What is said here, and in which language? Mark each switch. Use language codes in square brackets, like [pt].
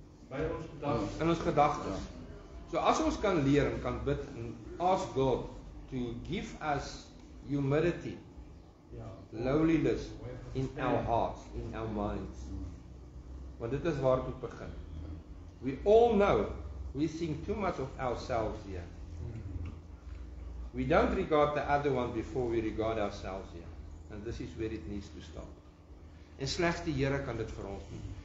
[af] By ons gedagtes. In ons gedagtes. So as ons kan leer en kan bid en [en] ask God to give us humility, lowliness in our hearts, in our minds. [af] Want dit is waar het begin. [en] We all know we think too much of ourselves here. We don't regard the other one before we regard ourselves here. And this is where it needs to stop. [af] En slechts die Here kan dit vir ons doen.